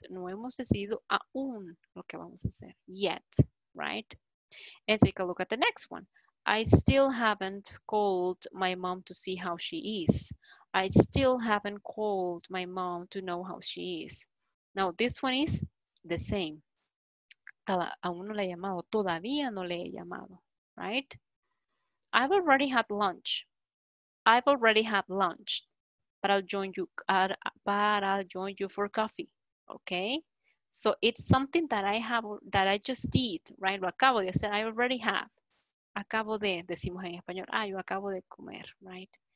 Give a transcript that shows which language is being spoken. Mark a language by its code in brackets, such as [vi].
[es] No hemos decidido aún lo que vamos a hacer [en] yet, right? And take a look at the next one. I still haven't called my mom to see how she is. I still haven't called my mom to know how she is. Now this one is the same. [es] Aún no le he llamado, todavía no le he llamado, right? [en] I've already had lunch. I've already had lunch. But I'll join you, but I'll join you for coffee, okay? So it's something that I have, that I just did, right? [es] Lo acabo de hacer, [en] I already have. [es] Acabo de, decimos en español, ah, yo acabo de comer, right?